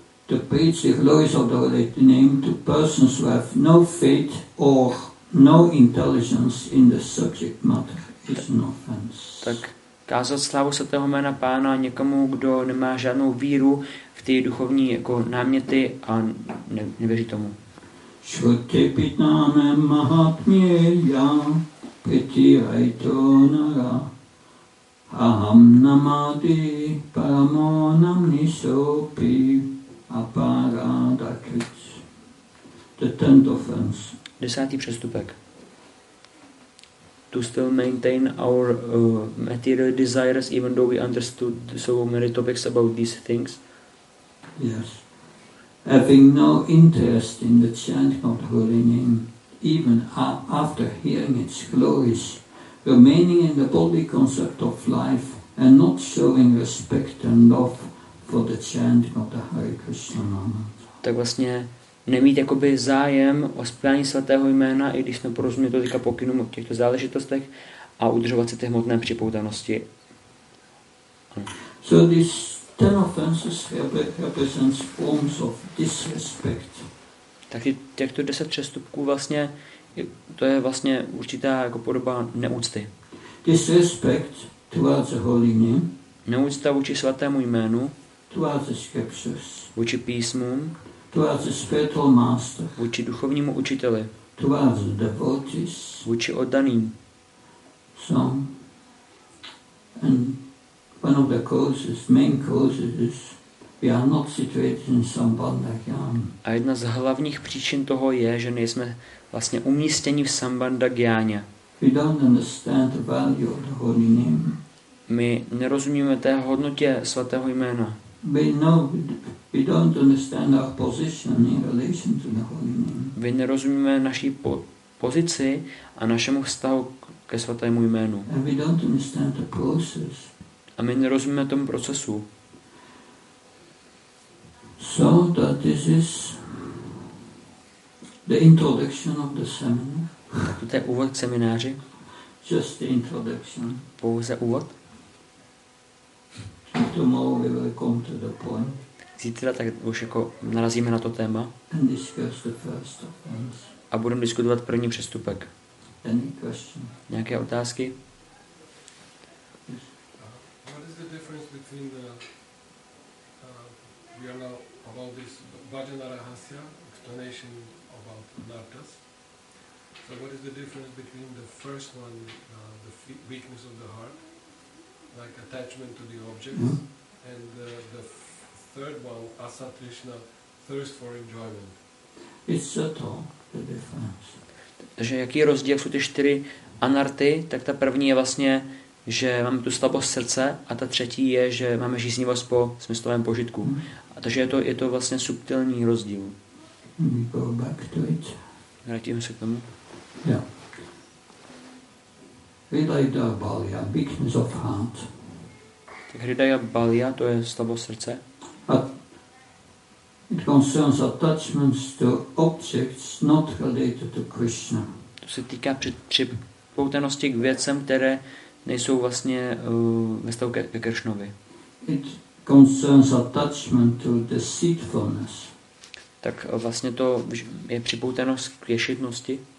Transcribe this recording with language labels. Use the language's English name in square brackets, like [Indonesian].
[English] To preach the glories of the holy name to persons who have no faith or no intelligence in the subject matter is an offense. [Czech] Tak kázat slavu svatého jména Pána někomu, kdo nemá žádnou víru v ty duchovní jako náměty a nevěří tomu. [Sanskrit] Shruti pitname mahatmyeya pitirayto nara aham namadi paramo namni sopi aparadakrit. [English] The tenth offense. [Czech] Desátý přestupek. [English] To still maintain our material desires even though we understood so many topics about these things. Yes. Having no interest in the chanting of the holy name, even after hearing its glories, remaining in the body concept of life and not showing respect and love for the chanting of the Hare Krishna mantra. [Czech] Tak vlastně nemít jakoby zájem o zpívání svatého jména, i když jsme porozuměli tolika pokynům o těchto záležitostech a udržovat se ty hmotné připoutanosti. [English] So this ten offenses represents forms of disrespect. [Czech] tak těchto 10 přestupků vlastně, to je vlastně určitá jako podoba neúcty. [English] Disrespect towards the holy name. [Czech] Neúcta vůči svatému jménu. [English] Towards the scriptures. [Czech] Vůči písmům. [English] Towards the spiritual master. [Czech] Vůči duchovnímu učiteli. [English] Towards the devotees. [Czech] Vůči oddaným. [English] Some. And one of the causes, main causes is we are not situated in Sambandha Gyana. [Czech] A jedna z hlavních příčin toho je, že nejsme vlastně umístěni v Sambandha Gyana. [English] We don't understand the value of the holy name. [Czech] My nerozumíme té hodnotě svatého jména. [English] We know we don't understand our position in relation to the holy name. [Czech] My nerozumíme naší pozici a našemu vztahu ke svatému jménu. [English] And we don't understand the process. [Czech] A my nerozumíme tomu procesu. [English] So that this is the introduction of the seminar. [Czech] To je úvod k semináři. [English] Just the introduction. [Czech] Pouze úvod. [English] Tomorrow we will come to the point. [Czech] Zítra tak už jako narazíme na to téma. [English] And discuss the first offense. [Czech] A budeme diskutovat první přestupek. [English] Any question? [Czech] Nějaké otázky? [English] What is the difference between the we are now about this Bhajana Rahasya explanation about Nartas? So what is the difference between the first one, the weakness of the heart, like attachment to the objects, and the third one, Asatrishna, thirst for enjoyment? It's subtle, the difference. [Czech] Takže jaký rozdíl, jsou ty čtyři anarty, tak ta první je vlastně, že máme tu slabost srdce a ta třetí je, že máme žíznivost po smyslovém požitku. A takže je to vlastně subtilní rozdíl. [English] We go back to it. [Czech] Vrátíme se k tomu. [English] Yeah. Hridaya Balya, weakness of heart. [Czech] Tak Hridaya Balya, to je slabost srdce. [English] It concerns attachments to objects not related to Krishna. [Czech] To se týká připoutanosti k věcem, které nejsou vlastně ve stavu ke Kršnovi. [English] It concerns attachment to deceitfulness. [Czech] Tak vlastně to je připoutanost k ješitnosti.